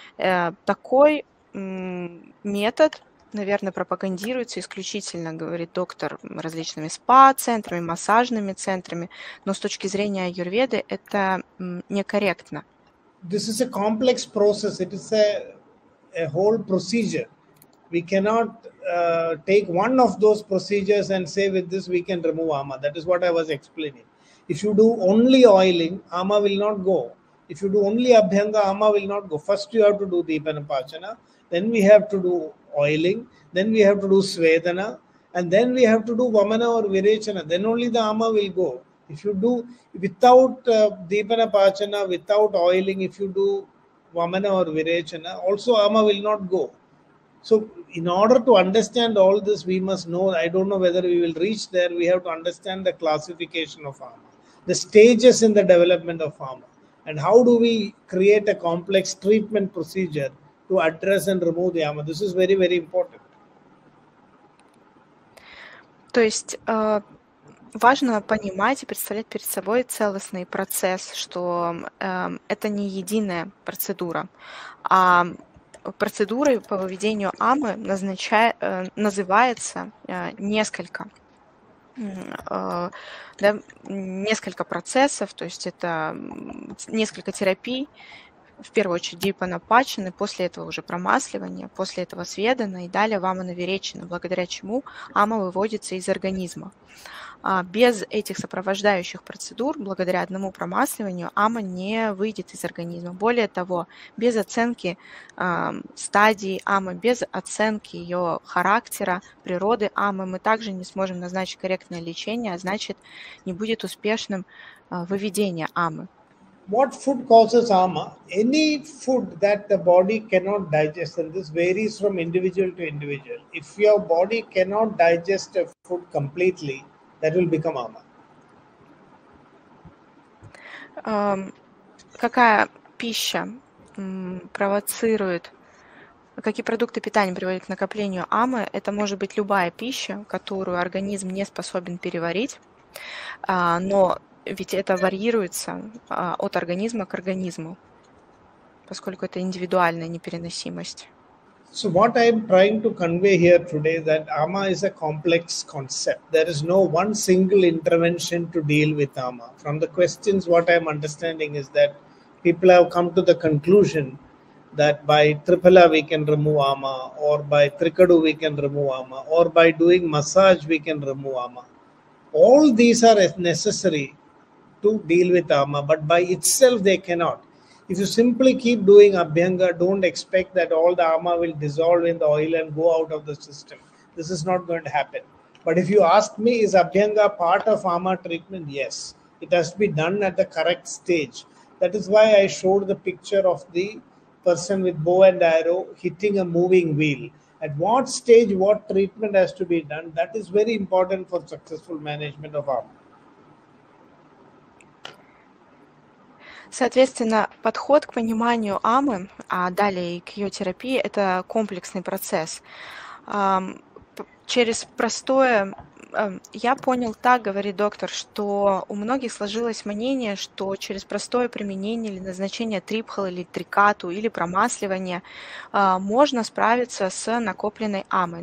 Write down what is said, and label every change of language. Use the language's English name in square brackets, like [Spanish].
[Russian] Такой метод, наверное, пропагандируется исключительно, говорит доктор, различными спа-центрами, массажными центрами, но с точки зрения аюрведы это некорректно. [English] This is a complex process. It is a whole procedure. We cannot take one of those procedures and say with this we can remove ama. That is what I was explaining. If you do only oiling, ama will not go. If you do only abhyanga, ama will not go. First you have to do deepana pachana, then we have to do oiling, then we have to do svedana, and then we have to do vamana or virechana, then only the ama will go. If you do without deepana pachana, without oiling, if you do vamana or virechana, also ama will not go. So in order to understand all this, we must know, I don't know whether we will reach there, we have to understand the classification of ama, the stages in the development of ama, and how do we create a complex treatment procedure to address and remove the ama. This is very, very important. [Russian] То есть важно понимать и представлять перед собой целостный процесс, что это не единая процедура, а процедурой по выведению амы называется несколько процессов, то есть это несколько терапий. В первую очередь дипана пачена, после этого уже промасливание, после этого сведана и далее вамана веречена, благодаря чему ама выводится из организма. Без этих сопровождающих процедур, благодаря одному промасливанию, ама не выйдет из организма. Более того, без оценки стадии амы, без оценки ее характера, природы амы, мы также не сможем назначить корректное лечение, а значит, не будет успешным выведение амы. [English] What food causes ama? Any food that the body cannot digest, and this varies from individual to individual. If your body cannot digest a food completely, that will become ama. [Russian] Какая пища провоцирует, какие продукты питания приводят к накоплению амы? Это может быть любая пища, которую организм не способен переварить, но ведь это варьируется от организма к организму, поскольку это индивидуальная непереносимость. [English] So what I am trying to convey here today that ama is a complex concept. There is no one single intervention to deal with ama. From the questions, what I am understanding is that people have come to the conclusion that by tripala we can remove ama, or by trikadu we can remove ama, or by doing massage we can remove ama. All these are necessary to deal with ama, but by itself they cannot. If you simply keep doing abhyanga, don't expect that all the ama will dissolve in the oil and go out of the system. This is not going to happen. But if you ask me, is Abhyanga part of Ama treatment? Yes, it has to be done at the correct stage. That is why I showed the picture of the person with bow and arrow hitting a moving wheel. At what stage, what treatment has to be done? That is very important for successful management of Ama. [Russian] Соответственно, подход к пониманию Амы, а далее и к ее терапии, это комплексный процесс. Через простое... Я понял так, говорит доктор, что у многих сложилось мнение, что через простое применение или назначение трипхал или трикату или промасливание можно справиться с накопленной Амой.